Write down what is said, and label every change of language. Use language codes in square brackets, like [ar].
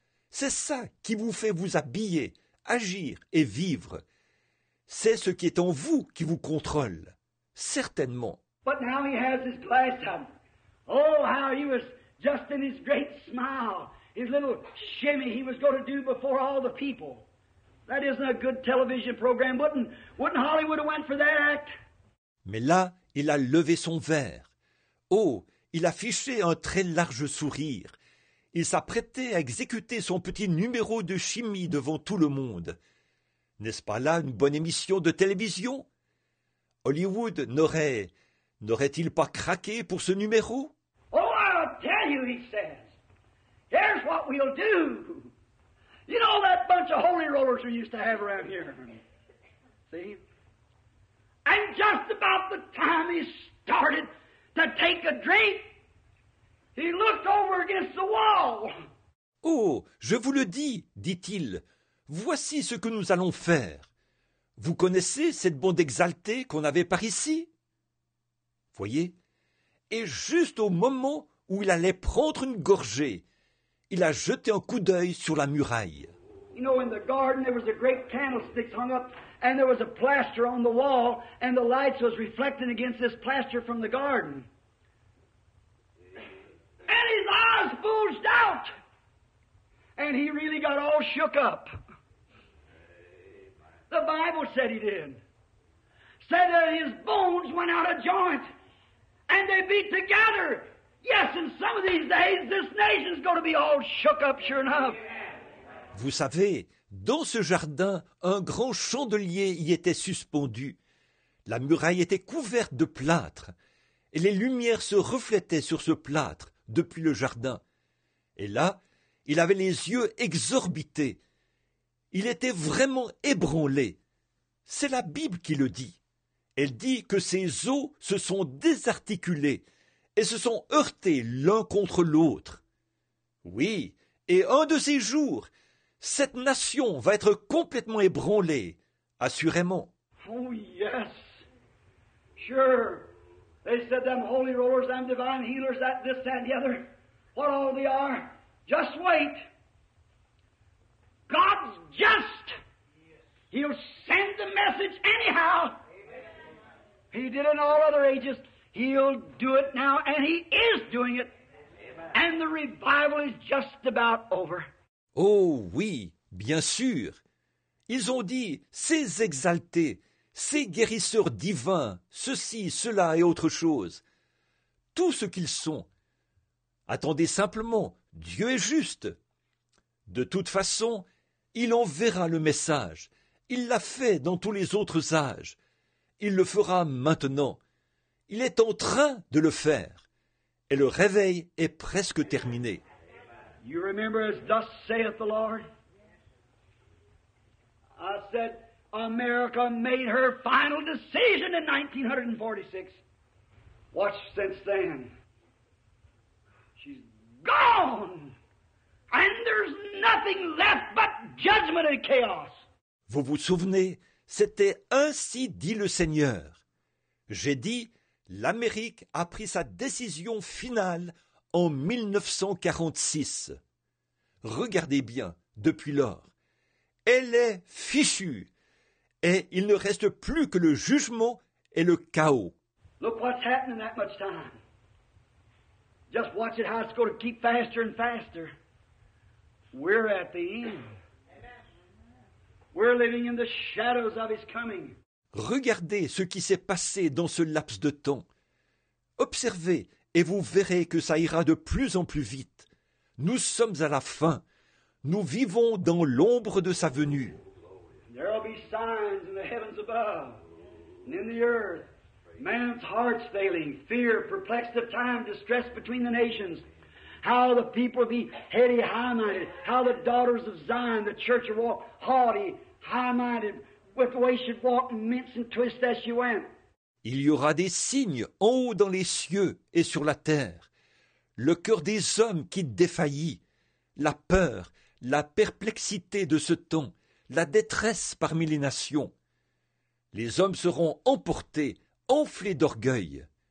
[fr] C'est ça qui vous fait vous habiller, agir et vivre. C'est ce qui est en vous qui vous contrôle. Certainement. [en] But now he has his glass up. Oh, how he was just in his great smile, his little shimmy he was going to do before all the people. That isn't a good television program. Wouldn't Hollywood have went for that act? [fr] Mais là, il a levé son verre. Oh, il a fiché un très large sourire. Il s'apprêtait à exécuter son petit numéro de chimie devant tout le monde. N'est-ce pas là une bonne émission de télévision? Hollywood n'aurait-il pas craqué pour ce numéro? [en] Oh, I'll tell you, he says. Here's what we'll do. You know that bunch of holy rollers we used to have around here? See? And just about the time he started to take a drink, he looked over against the wall. [fr] Oh, je vous le dis, dit-il, voici ce que nous allons faire. Vous connaissez cette bande exaltée qu'on avait par ici? Voyez? Et juste au moment où il allait prendre une gorgée, il a jeté un coup d'œil sur la muraille. [en] You know, in the garden there was a great candlestick hung up and there was a plaster on the wall and the lights was reflecting against this plaster from the garden. And his eyes bulged out. And he really got all shook up. The Bible said he did. Said that his bones went out of joint and they beat together. Yes, in some of these days, this nation's going to be all shook up, sure enough. [fr] Vous savez, dans ce jardin, un grand chandelier y était suspendu. La muraille était couverte de plâtre, et les lumières se reflétaient sur ce plâtre depuis le jardin. Et là, il avait les yeux exorbités. Il était vraiment ébranlé. C'est la Bible qui le dit. Elle dit que ses os se sont désarticulés et se sont heurtés l'un contre l'autre. Oui, et un de ces jours, cette nation va être complètement ébranlée, assurément. [en] Oh, yes. Sure. They said them holy rollers, them divine healers, that, this, that, and the other. What all they are. Just wait. God's just. He'll send the message anyhow. Amen. He did in all other ages. He'll do it now, and he is doing it. Amen. And the revival is just about over. [fr] Oh oui, bien sûr. Ils ont dit, ces exaltés, ces guérisseurs divins, ceci, cela et autre chose. Tout ce qu'ils sont. Attendez simplement, Dieu est juste. De toute façon, il enverra le message. Il l'a fait dans tous les autres âges. Il le fera maintenant. Il est en train de le faire. Et le réveil est presque terminé. [en] You remember as thus saith the Lord? I said, America made her final decision in 1946. Watch since then. She's gone! And there's nothing left but judgment and chaos. [fr] Vous vous souvenez, c'était ainsi dit le Seigneur. J'ai dit, l'Amérique a pris sa décision finale en 1946. Regardez bien, depuis lors, elle est fichue et il ne reste plus que le jugement et le chaos. [en] Look what's happening that much time. Just watch it how it's going to keep faster and faster. We're at the end. We're living in the shadows of his coming. [fr] Regardez ce qui s'est passé dans ce laps de temps. Observez et vous verrez que ça ira de plus en plus vite. Nous sommes à la fin. Nous vivons dans l'ombre de sa venue. [en] There will be signs in the heavens above and in the earth. Man's heart's failing, fear, perplexed of time, distress between the nations. How the people be heady, high-minded. How the daughters of Zion, the church of walk haughty, high-minded, with the way she walk and mince and twist as she went. [fr] Il y aura des signes en haut dans les cieux et sur la terre. Le cœur des hommes qui défaillit. La peur, la perplexité de ce temps, la détresse parmi les nations. Les hommes seront emportés, enflés d'orgueil.